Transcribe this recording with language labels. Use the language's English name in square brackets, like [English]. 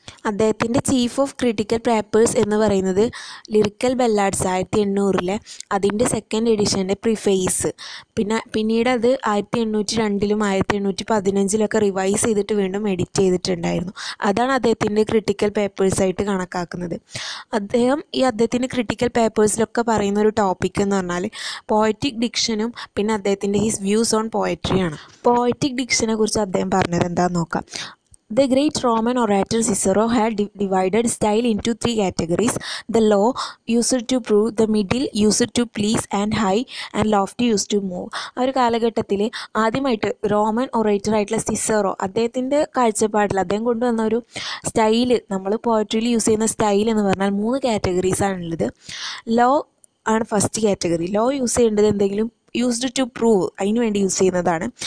[Malayalam] അദ്ദേഹത്തിൻ്റെ chief of critical papers എന്ന് പറയുന്നത് ലിറിക്കൽ ബല്ലാഡ്സ് 1800 അതിൻ്റെ സെക്കൻഡ് എഡിഷൻ്റെ പ്രിഫേസ്, പിന്നീട് അത് 1802 1815 റിവൈസ് ചെയ്തിട്ട് വീണ്ടും എഡിറ്റ് ചെയ്തിട്ടുണ്ടായിരുന്നു. അതാണ് അദ്ദേഹത്തിൻ്റെ ക്രിട്ടിക്കൽ പേപ്പേഴ്സായിട്ട് കണക്കാക്കുന്നത്. അദ്ദേഹം ഈ അദ്ദേഹത്തിൻ്റെ ക്രിട്ടിക്കൽ പേപ്പേഴ്സിലൊക്കെ പറയുന്ന ഒരു ടോപ്പിക് എന്ന് പറഞ്ഞാൽ പോയറ്റിക് ഡിക്ഷനും പിന്നെ അദ്ദേഹത്തിൻ്റെ ഹിസ് വ്യൂസ് ഓൺ പോയട്രിയാണ്. പോയറ്റിക് ഡിക്ഷനെ കുറിച്ച് അദ്ദേഹം പറഞ്ഞത് എന്താണെന്ന് നോക്കാം. [English] The great Roman orator Cicero had divided style into 3 categories: the low used to prove, the middle used to please, and high and lofty used to move. [Malayalam] ആ ഒരു കാലഘട്ടത്തിൽ ആദ്യമായിട്ട് Roman orator ആയിട്ടുള്ള സിസറോ അദ്ദേഹത്തിൻ്റെ കാഴ്ചപ്പാടിൽ അദ്ദേഹം കൊണ്ടുവന്ന ഒരു സ്റ്റൈൽ, നമ്മൾ പോയട്രിയിൽ യൂസ് ചെയ്യുന്ന സ്റ്റൈൽ എന്ന് പറഞ്ഞാൽ 3 കാറ്റഗറീസാണുള്ളത്. ലോ ആണ് ഫസ്റ്റ് കാറ്റഗറി. ലോ യൂസ് ചെയ്യേണ്ടത് എന്തെങ്കിലും [English] used to prove, [Malayalam] അതിന് വേണ്ടി യൂസ് ചെയ്യുന്നതാണ്.